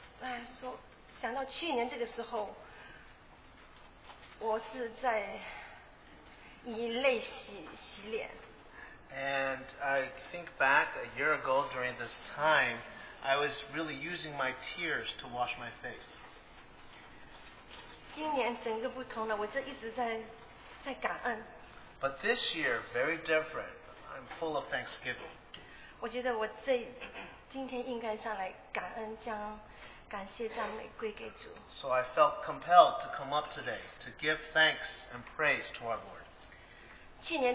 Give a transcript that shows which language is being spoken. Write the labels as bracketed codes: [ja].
[en] And I think back a year ago during this time, I was really using my tears to wash my face. [zh] 今年整个不同了，我这一直在感恩。 [en] But this year, very different. I'm full of thanksgiving. [zh] 我觉得我今天应该上来感恩将。 [en] So I felt compelled to come up today to give thanks and praise to our Lord.